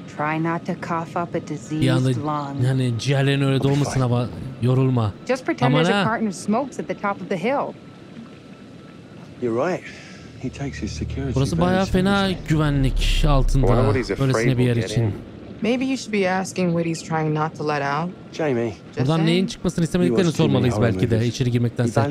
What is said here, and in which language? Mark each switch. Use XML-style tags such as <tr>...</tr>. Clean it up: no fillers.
<en>Try not to cough up a diseased lung.</en> <tr>Yani ciğerlerin öyle dolmasın ama yorulma.</tr> <en>Just pretend there's a carton of smokes at the top of the hill. You're right. He takes his security.</en> <tr>Burası bayağı fena güvenlik altında. Böylesine bir yer için.</tr> <en>Maybe you should be asking what he's trying not to let out. Jamie.</en> <tr>Buradan neyin çıkmasını istemediklerini sormalıyız belki de içeri girmekten sonra.</tr>